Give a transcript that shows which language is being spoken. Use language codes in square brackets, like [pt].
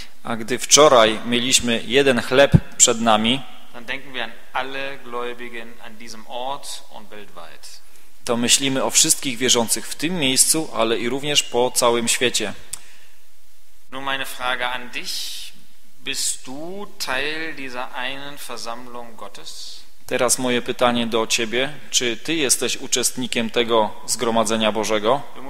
[pl] a gdy wczoraj mieliśmy jeden chleb przed nami, [de] dann denken wir an alle Gläubigen an diesem Ort und weltweit. [pl] To myślimy o wszystkich wierzących w tym miejscu, ale i również po całym świecie. [de] Nur meine Frage an dich, bist du Teil dieser einen Versammlung Gottes? [pl] Teraz moje pytanie do ciebie. Czy ty jesteś uczestnikiem tego zgromadzenia Bożego?